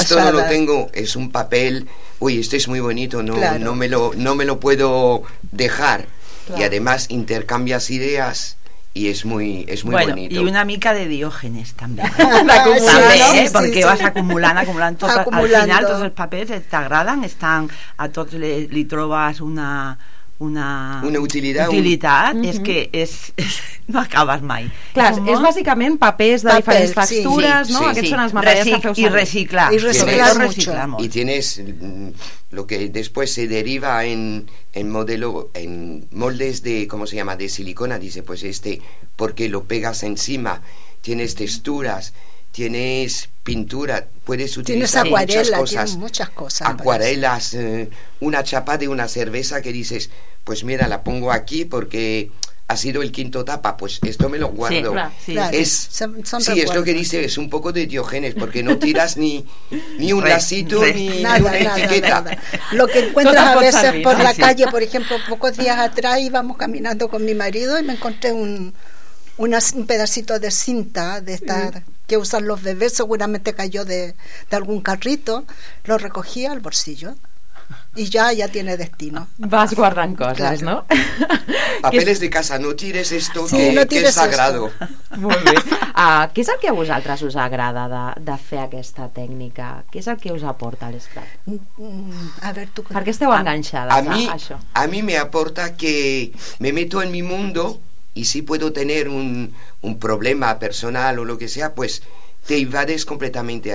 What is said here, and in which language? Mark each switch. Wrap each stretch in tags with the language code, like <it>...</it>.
<es>Esto no lo tengo, es un papel. Uy, este es muy bonito, no, claro, no me lo puedo dejar. Claro. Y además intercambias ideas y es muy bueno, bonito. Y una mica de Diógenes también. Porque vas acumulando todo. Al final todos los papeles te agradan, están a todos le</es> <ca>trobas</ca> <es>una</es> <ca>utilitat, uh-huh, és que no acabes mai. Clar, és bàsicament papers de diferents textures, sí, no? Sí, aquests són els materials que feu servir. I reciclar. I reciclar molt.</ca> <es>I tienes lo que después se deriva en moldes de, ¿cómo se llama?, de silicona, dice, pues este, porque lo pegas encima, tienes texturas, tienes pintura, puedes utilizar tienes acuarela, muchas cosas. Tienes muchas cosas. Acuarelas, una chapa de una cerveza que dices, pues mira, la pongo aquí porque ha sido el quinto tapa, pues esto me lo guardo. Sí, claro, es lo que dice, es un poco de Diógenes, porque no tiras ni un lacito, ni una etiqueta. Nada. Lo que encuentras a veces salir, por la calle, por ejemplo, pocos días atrás íbamos caminando con mi marido y me encontré un pedacito de cinta de esta que usan los bebés, seguramente cayó de algún carrito, lo recogí al bolsillo y ya tiene destino. Vas guardando cosas, claro, ¿no? Papeles de casa, no tires esto, sí, que, no tires que es sagrado.</es> <ca>Molt bé. Què és el que a vosaltres us agrada de fer aquesta tècnica? Què és el que us aporta l'esclat? Per què esteu enganxades a això?</ca> <es>A mi me aporta que me meto en mi mundo. Y si puedo tener un problema personal o lo que sea, pues te invades completamente.</es>